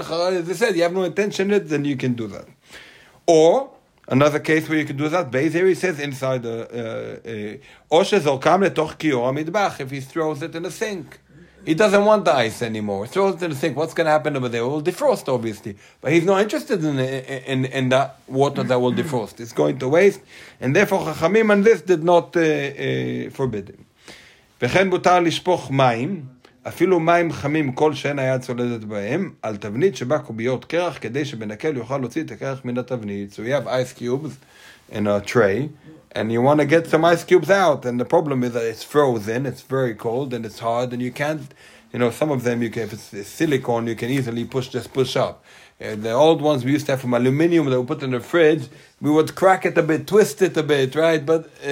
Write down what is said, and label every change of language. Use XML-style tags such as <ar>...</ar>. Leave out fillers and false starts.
<en>As I said, you have no intention in it, then you can do that. Or another case where you can do that, Beis here he says inside the</en> <he>zorkam letoch kiyor amidbach,</he> <en>if he throws it in a sink. He doesn't want the ice anymore. Throw it in the sink. What's going to happen over there? It will defrost, obviously. But he's not interested in that water that will defrost. It's going to waste. And therefore, Chachamim and this did not forbid him.</en> <he>וכן מותר לשפוך מים, אפילו מים חמים כל שאין היד צולדת בהם, על תבנית שבה קוביות קרח, כדי שבנקל יוכל להוציא את הקרח מן התבנית.</he> <en>So we have ice cubes in a tray. And you want to get some ice cubes out. And the problem is that it's frozen, it's very cold, and it's hard, and you can't, you know, some of them, you can, if it's silicone, you can easily push up. And the old ones we used to have from aluminium that we put in the fridge, we would crack it a bit, twist it a bit, right? But</en>